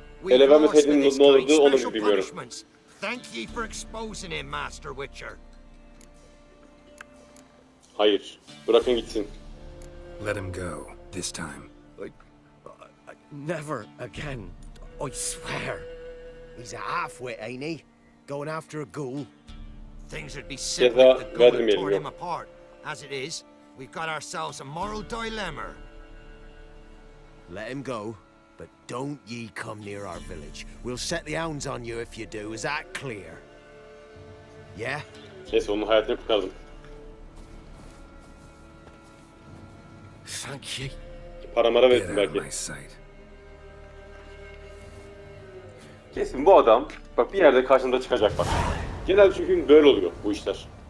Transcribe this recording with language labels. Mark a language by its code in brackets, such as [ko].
[tr] Elevemeseydin ne olurdu onu bilmiyorum. [en] Thank you for exposing him, Master Witcher. [tr] Hayır, bırakın gitsin. [en] Let him go this time. Never again, I swear. He's a halfwit, ain't he? Going after a ghoul. Things would be simple if the ghoul had torn him apart. As it is, we've got ourselves a moral dilemma. Let him go, but don't ye come near our village. We'll set the hounds on you if you do. Is that clear? Yeah? [tr] Neyse, onun hayatını kurtardım. [en] Thank you. [tr] Para mara verdim belki. Kesin bu adam, bak bir yerde karşında çıkacak bak. Genelde çünkü böyle oluyor bu işler.